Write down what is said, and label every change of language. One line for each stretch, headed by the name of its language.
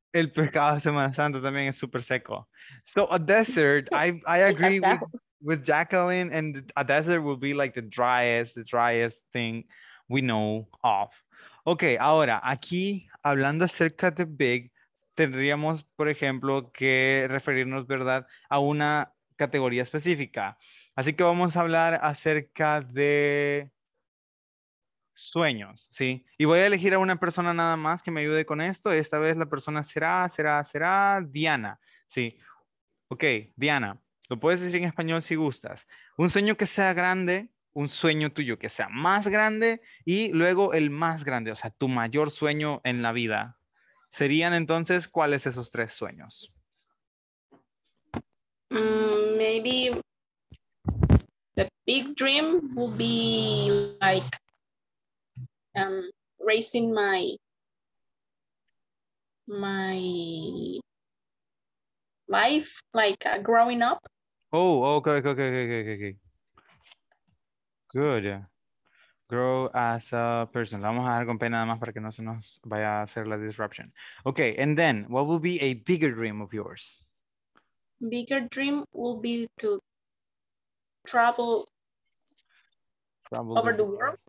Spanish: El pescado de Semana Santa también es super seco.
English: So a desert, I agree with Jacqueline, and a desert will be like the driest thing we know of.
Spanish: Okay, ahora, aquí, hablando acerca de big, tendríamos, por ejemplo, que referirnos, ¿verdad?, a una categoría específica. Así que vamos a hablar acerca de sueños, ¿sí? Y voy a elegir a una persona nada más que me ayude con esto. Esta vez la persona será Diana, ¿sí? Okay, Diana. Lo puedes decir en español si gustas. Un sueño que sea grande, un sueño tuyo que sea más grande y luego el más grande, o sea, tu mayor sueño en la vida. ¿Serían entonces cuáles esos tres sueños?
English: Maybe the big dream would be like raising my life, like growing up. Oh, okay. Good. Grow as a person.
Spanish: Vamos a dar con pena nada más para que no se nos vaya a hacer la disruption.
English: Okay, and then, what will be a bigger dream of yours? Bigger dream will be to travel over the world.